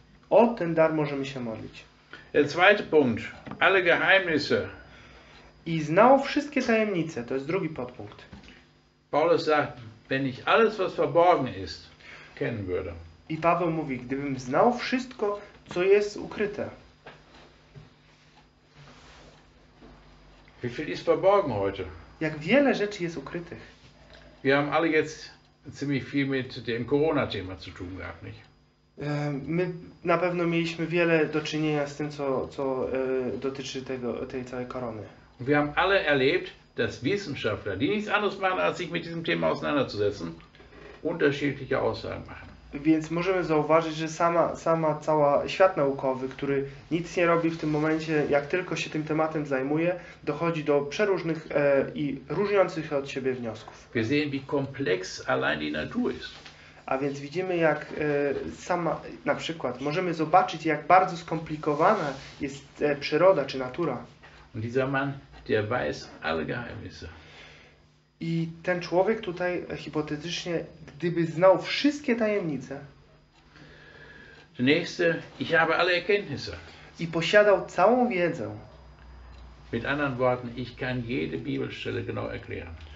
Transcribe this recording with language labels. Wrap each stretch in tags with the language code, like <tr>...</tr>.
<pl>O ten dar możemy się modlić.</pl> <de>Der zweite Punkt. Alle Geheimnisse.</de> <pl>I znał wszystkie tajemnice, to jest drugi podpunkt.</pl> <de>Paulus sagt, wenn ich alles, was verborgen ist, kennen würde.</de> <pl>I Paweł mówi, gdybym znał wszystko, co jest ukryte.</pl> <de>Wie viel ist verborgen heute?</de> <pl>Jak wiele rzeczy jest ukrytych.</pl> <de>Wir haben alle jetzt ziemlich viel mit dem Corona-Thema zu tun gehabt, nicht?</de> <pl>My na pewno mieliśmy wiele do czynienia z tym, co dotyczy tej całej korony.</pl> <de>Wir haben alle erlebt, dass Wissenschaftler, die nichts anderes machen, als sich mit diesem Thema auseinanderzusetzen, unterschiedliche Aussagen machen.</de> <pl>Więc możemy zauważyć, że sama cała świat naukowy, który nic nie robi w tym momencie, jak tylko się tym tematem zajmuje, dochodzi do przeróżnych i różniących od siebie wniosków.</pl> <de>Wir sehen, wie komplex allein die Natur ist.</de> <pl>A więc widzimy, jak sama, na przykład, możemy zobaczyć, jak bardzo skomplikowana jest przyroda czy natura.</pl> <de>Und dieser Mann, der weiß alle Geheimnisse.</de> <pl>I ten człowiek tutaj, hipotetycznie, gdyby znał wszystkie tajemnice.</pl> <de>Der nächste, ich habe alle Erkenntnisse.</de> <pl>I posiadał całą wiedzę.</pl> <de>Mit anderen Worten, ich kann jede Bibelstelle genau erklären.</de>